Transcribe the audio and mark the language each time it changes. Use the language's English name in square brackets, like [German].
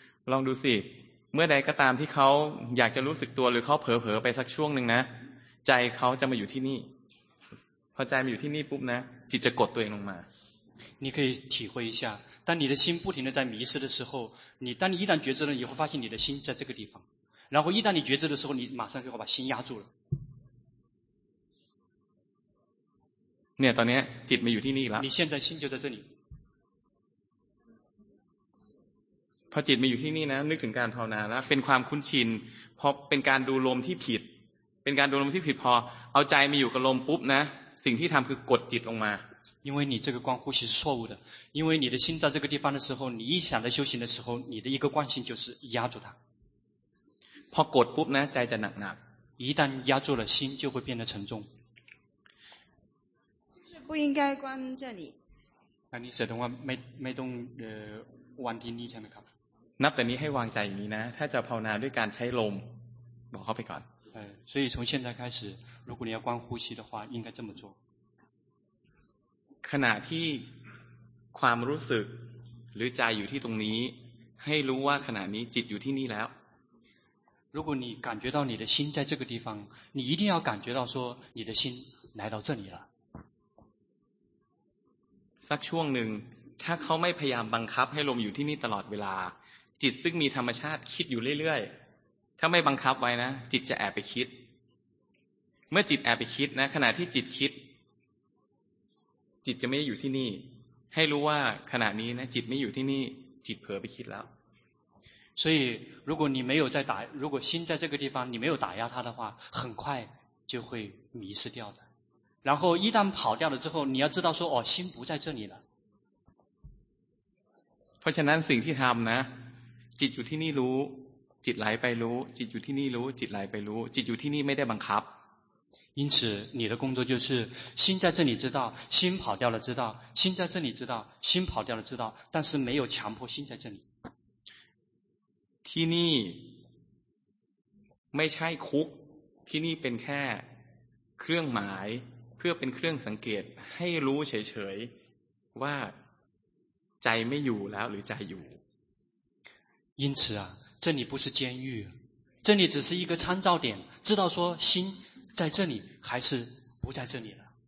[Thai] ลองดูสิเมื่อใดก็ตามที่เขาอยากจะรู้สึกตัวหรือเขาเผลอๆไปสักช่วงหนึ่งนะใจเขาจะมาอยู่ที่นี่พอใจมาอยู่ที่นี่ปุ๊บนะจิตจะกดตัวเองลงมา [Chinese] 你可以体会一下当你的心不停地在迷失的时候你当你一旦觉知了你会发现你的心在这个地方然后一旦你觉知的时候你马上就会把心压住了 [Thai] เนี่ยตอนนี้จิตมาอยู่ที่นี่แล้ว [Chinese] 你现在心就在这里 [Thai] พอจิตมาอยู่ที่นี่นะนึกถึงการภาวนาแล้วเป็นความคุ้นชินพอเป็นการดูลมที่ผิดเป็นการดูลมที่ผิดพอเอาใจมาอยู่กับลมปุ๊บนะสิ่งที่ทำคือกดจิตลงมา [Chinese] 因为你这个观呼吸是错误的因为你的心在这个地方的时候你一想到修行的时候你的一个惯性就是压住它 [Thai] พอกดปุ๊บนะใจจะหนัก [Chinese] 一旦压住了心就会变得沉重不应该关这里。 [Thai] อันนี้แสดงว่าไม่ต้องวางที่นี่ใช่ไหมครับ นับแต่นี้ให้วางใจอย่างนี้นะถ้าจะภาวนาด้วยการใช้ลมบอกเข้าไปก่อน [Chinese] 所以从现在开始如果你要观呼吸的话应该这么做 [Thai] ขณะที่ความรู้สึกหรือใจอยู่ที่ตรงนี้ให้รู้ว่าขณะนี้จิตอยู่ที่นี่แล้ว [Chinese] 如果你感觉到你的心在这个地方你一定要感觉到说你的心来到这里了 [Thai] สักช่วงหนึ่งถ้าเขาไม่พยายามบังคับให้ลมอยู่ที่นี่ตลอดเวลาจิตซึ่งมีธรรมชาติคิดอยู่เรื่อยๆถ้าไม่บังคับไว้นะจิตจะแอบไปคิดเมื่อจิตแอบไปคิดนะขณะที่จิตคิดจิตจะไม่อยู่ที่นี่ให้รู้ว่าขณะนี้นะจิตไม่อยู่ที่นี่จิตเผลอไปคิดแล้ว [Chinese] 所以如果你没有在打如果心在这个地方你没有打压它的话很快就会迷失掉的然后一旦跑掉了之后你要知道说哦心不在这里了 [Thai] เพราะฉะนั้นสิ่งที่ทำนะจิตอยู่ที่นี่รู้จิตไหลไปรู้จิตอยู่ที่นี่รู้จิตไหลไปรู้จิตอยู่ที่นี่ไม่ได้บังคับ [Chinese] 因此你的工作就是心在这里知道心跑掉了知道心在这里知道心跑掉了知道但是没有强迫心在这里 [Thai] ที่นี่ไม่ใช่คุกที่นี่เป็นแค่เครื่องหมายเพื่อเป็นเครื่องสังเกตให้รู้เฉยๆว่าใจไม่อยู่แล้วหรือใจอยู่ [Chinese] 因此啊这里不是监狱这里只是一个参照点知道说心在这里还是不在这里了